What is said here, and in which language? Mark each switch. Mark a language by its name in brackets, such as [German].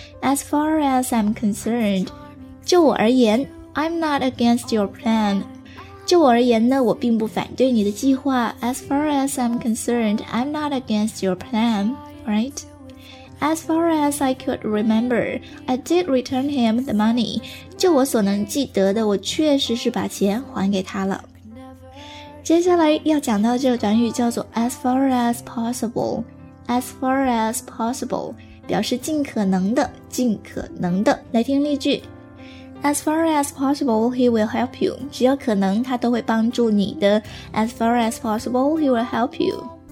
[English] As far as I'm concerned, [Chinese] 就我而言， [English] I'm not against your plan. [Chinese] 就我而言呢，我并不反对你的计划。 [English] As far as I'm concerned, I'm not against your plan, right? As far as I could remember, I did return him the money. [Chinese] 就我所能记得的，我确实是把钱还给他了。接下来要讲到这个短语叫做 [English] as far as possible. As far as possible, [Chinese] 表示尽可能的，尽可能的。来听例句。 [English] As far as possible, he will help you. [Chinese] 只要可能，他都会帮助你的。 [English] As far as possible, he will help you.